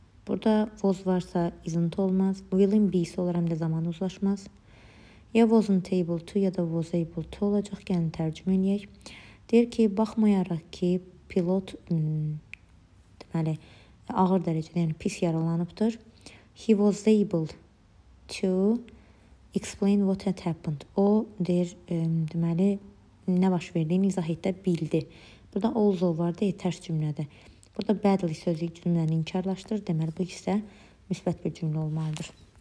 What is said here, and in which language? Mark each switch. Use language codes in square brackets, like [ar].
[az] Burada was varsa isn't olmaz. Willing be-sə olar həm də zaman uzlaşmaz. Ya wasn't able to ya da was able to olacaq. Gəlin tərcümə eləyək. Deyir ki, baxmayaraq ki, pilot deməli, ağır dərəcədə, yəni pis yaralanıbdır. [en] He was able to explain what had happened. [az] O, deyir, deməli, nə baş verdiyini izah etdə bildi. Burada also var deyə tərs cümlədə. Burada badly sözü cümləni inkarlaşdırır. Deməli, bu isə müsbət bir cümlə olmalıdır.